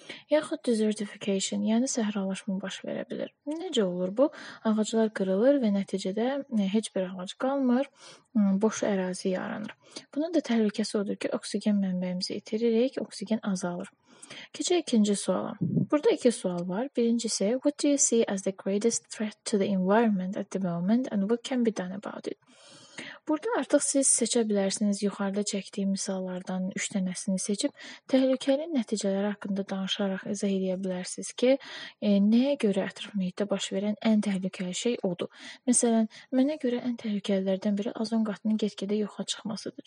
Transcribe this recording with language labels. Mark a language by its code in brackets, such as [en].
[az] Yaxud desertification, yəni səhralaşma baş verə bilir. Necə olur bu? Ağaclar qırılır və nəticədə heç bir ağac qalmır, boş ərazi yaranır. Bunun da təhlükəsi odur ki, oksigen mənbəyimizi itiririk, oksigen azalır. Keçək ikinci suala. Burada iki sual var. Birincisi, [en] what do you see as the greatest threat to the environment at the moment and what can be done about it? [az] Burada artıq siz seçə bilərsiniz yuxarıda çəkdiyim misallardan 3 dənəsini seçib, təhlükəli nəticələr haqqında danışaraq izah edə bilərsiniz ki, nəyə görə ətraf mühitdə baş verən ən təhlükəli şey odur. Məsələn, mənə görə ən təhlükəlilərdən biri azon qatının get-gedə yoxa çıxmasıdır.